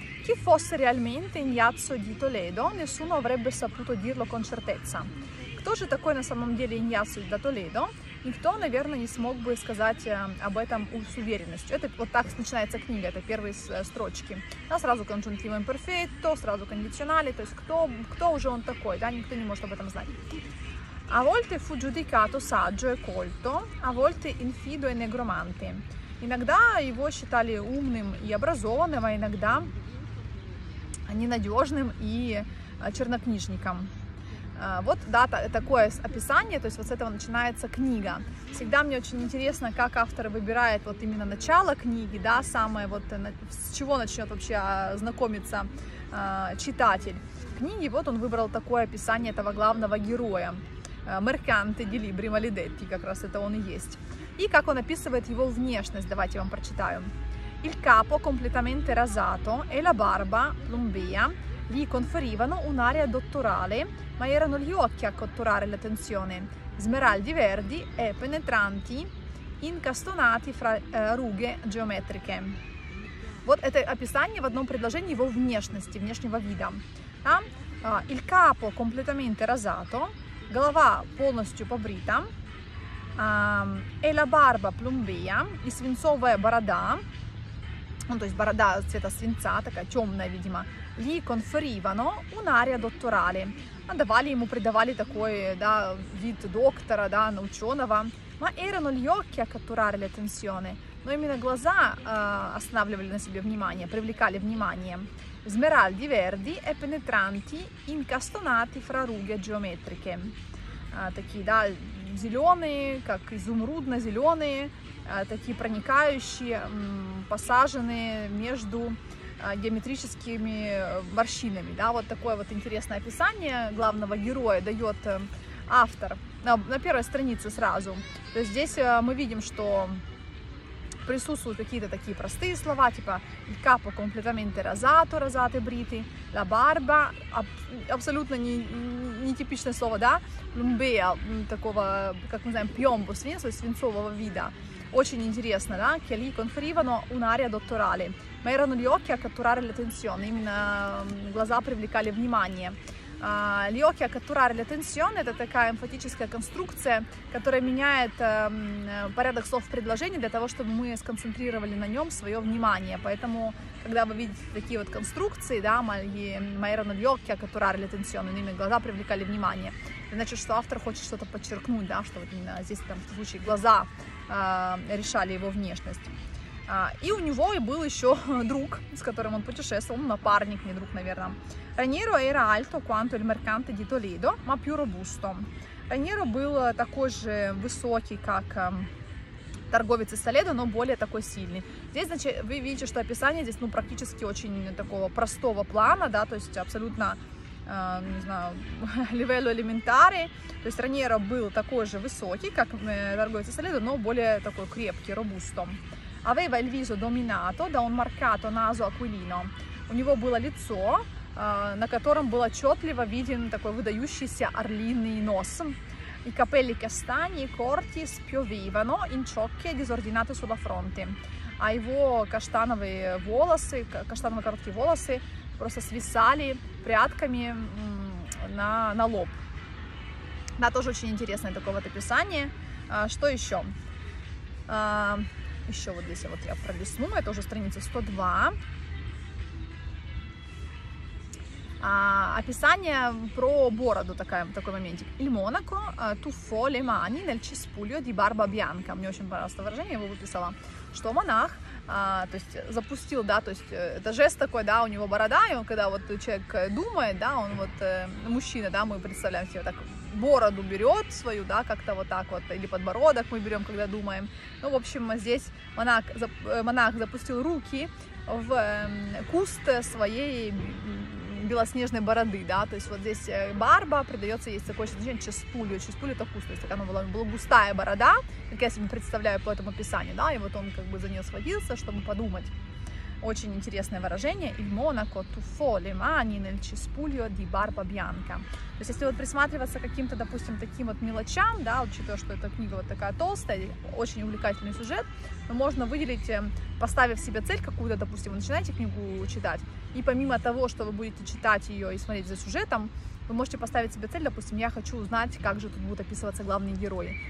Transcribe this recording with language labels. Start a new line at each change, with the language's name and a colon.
Italian: Chi fosse realmente Ignazio di Toledo, nessuno avrebbe saputo dirlo con certezza.
Russian: Кто же такой на самом деле Иньяцио да Толедо? Никто, наверное, не смог бы сказать об этом с уверенностью. Это вот так начинается книга, это первые строчки. Да, сразу конжунктиво имперфетто, сразу кондиционале, то есть кто уже он такой, да, никто не может об этом знать.
Italian: A volte fu giudicato saggio e colto, a volte infido e negромante.
Russian: Иногда его считали умным и образованным, а иногда ненадежным и чернокнижником. Вот, да, такое описание, то есть вот с этого начинается книга. Всегда мне очень интересно, как автор выбирает вот именно начало книги, да, самое вот, с чего начнет вообще знакомиться читатель книги. Вот он выбрал такое описание этого главного героя, Mercante di libri maledetti, как раз это он и есть. И как он описывает его внешность, давайте вам прочитаю.
Italian: Il capo completamente rasato e la barba plumbea gli conferivano un'aria dottorale, ma erano gli occhi a catturare l'attenzione, smeraldi verdi e penetranti, incastonati fra rughe geometriche.
Russian: Вот это описание в одном предложении его внешности, внешнего вида. Да?
Italian: Il capo completamente rasato,
Russian: голова полностью побрита,
Italian: e la barba plumbea,
Russian: и свинцовая борода, ну, то есть борода цвета свинца, такая темная, видимо,
Italian: gli conferivano un'aria dottorale.
Russian: Давали ему, придавали такой, да, вид доктора, да, ученого.
Italian: Ma erano gli occhi a catturare l'attenzione.
Russian: Но именно глаза останавливали на себе внимание, привлекали внимание.
Italian: Smeraldi verdi e penetranti incastonati fra rughe geometriche.
Russian: Такие, да, зеленые, как изумрудно-зеленые, такие проникающие, посаженные между геометрическими морщинами, да, вот такое вот интересное описание главного героя дает автор на первой странице сразу. То есть здесь мы видим, что присутствуют какие-то такие простые слова, типа
Italian: il capo completamente rasato,
Russian: rasate briti, la barba, абсолютно не типичное слово, да, plumbea, такого, как мы знаем, пьомбо, свинцового вида. Очень интересно, да,
Italian: che li conferivano un'aria dottorale. Ma erano gli occhi a catturare l'attenzione,
Russian: именно глаза привлекали внимание.
Italian: Gli occhi a catturare l'attenzione
Russian: — это такая эмфатическая конструкция, которая меняет порядок слов в предложении для того, чтобы мы сконцентрировали на нем свое внимание. Поэтому, когда вы видите такие вот конструкции, да,
Italian: ma erano gli occhi a catturare l'attenzione,
Russian: именно глаза привлекали внимание, значит, что автор хочет что-то подчеркнуть, да, что вот именно здесь, там, в случае, глаза решали его внешность. И у него был еще друг, с которым он путешествовал, напарник, не друг, наверное.
Italian: Раньеро era alto quanto il mercante di Toledo, ma più robusto.
Russian: Раньеро был такой же высокий, как торговец из Толедо, но более такой сильный. Здесь, значит, вы видите, что описание здесь, ну, практически очень такого простого плана, да, то есть абсолютно, не знаю,
Italian: livello elementare.
Russian: То есть Раньеро был такой же высокий, как торговец из Толедо, но более такой крепкий, robusto.
Italian: Aveva il viso dominato da un marcato naso aquilino.
Russian: У него было лицо, на котором был отчетливо виден такой выдающийся орлиный нос.
Italian: I capelli castani e corti spiovevano in ciocche disordinate sulla fronte.
Russian: А его каштановые волосы, каштановые короткие волосы просто свисали прядками на лоб. Да, тоже очень интересное такое вот описание. Что еще? Еще вот здесь вот я пролистну, это уже страница 102. Описание про бороду, такой моментик.
Italian: Il Monaco tuffò le mani nel cespuglio di barba bianca.
Russian: Мне очень понравилось это выражение, я его выписала. Что монах, то есть запустил, да, то есть это жест такой, да, у него борода, и он, когда вот человек думает, да, он вот мужчина, да, мы представляем себе так, бороду берет свою, да, как-то вот так вот, или подбородок мы берем, когда думаем. Ну, в общем, здесь монах запустил руки в куст своей белоснежной бороды, да, то есть вот здесь барба придается, есть такое значение, чеспулью, это куст, то есть такая, ну, была густая борода, как я себе представляю по этому описанию, да, и вот он как бы за нее схватился, чтобы подумать. Очень интересное выражение.
Italian: Il Monaco tuffò le mani nel cespuglio di barba bianca.
Russian: То есть, если вот присматриваться к каким-то, допустим, таким вот мелочам, да, учитывая, что эта книга вот такая толстая, очень увлекательный сюжет, но можно выделить, поставив себе цель какую-то, допустим, вы начинаете книгу читать, и помимо того, что вы будете читать ее и смотреть за сюжетом, вы можете поставить себе цель, допустим, я хочу узнать, как же тут будут описываться главные герои.